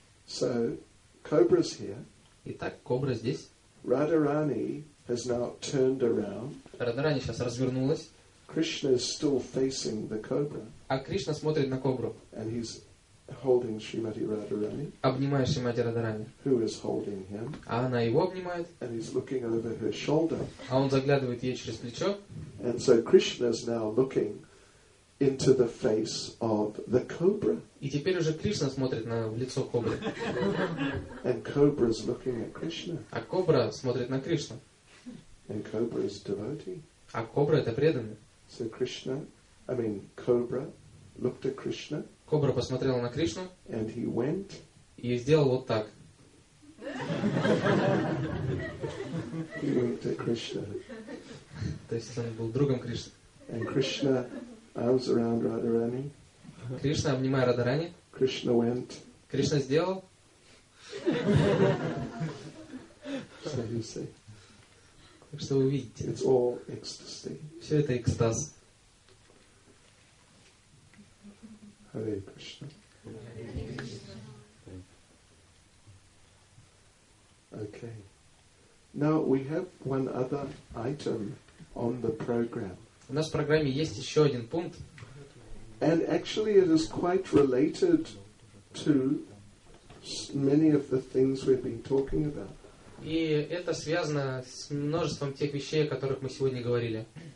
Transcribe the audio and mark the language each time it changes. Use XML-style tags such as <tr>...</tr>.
<en>So, cobra's here.</en> <ru>Итак, кобра здесь.</ru> <en>Radharani has now turned around.</en> <ru>Радхарани сейчас развернулась.</ru> <en>Krishna is still facing the cobra.</en> <ru>А Кришна смотрит на кобру.</ru> <en>And he's holding Shrimati Radharani.</en> <ru>Обнимая Шримати Радхарани.</ru> <en>Who is holding him?</en> <ru>А она его обнимает.</ru> <en>And he's looking over her shoulder.</en> <ru>А он заглядывает ей через плечо.</ru> <en>And so Krishna is now looking into the face of the cobra.</en> <ru>И теперь уже Кришна смотрит на лицо кобры.</ru> <en>And cobra is looking at Krishna.</en> <ru>А кобра смотрит на Кришну.</ru> <en>And cobra is devotee.</en> <ru>А кобра это преданный.</ru> <en>So Krishna, I mean cobra, looked at Krishna.</en> <ru>Кобра посмотрела на Кришну.</ru> <en>And he went.</en> <ru>И сделал вот так.</ru> <en>He looked at Krishna.</en> <ru>То есть он был другом Кришны.</ru> <en>And Krishna arms around Radharani.</en> <ru>Кришна обнимая Радхарани.</ru> <en>Krishna went.</en> <ru>Кришна сделал.</ru> <en>So you see.</en> <ru>Так что вы видите.</ru> <en>It's all ecstasy.</en> <ru>Все это экстаз.</ru> <en>Hare Krishna. Okay. Now we have one other item on the program.</en> <ru>У нас в программе есть еще один пункт.</ru> <en>And actually it is quite related to many of the things we've been talking about.</en> <ru>И это связано с множеством тех вещей, о которых мы сегодня говорили.</ru>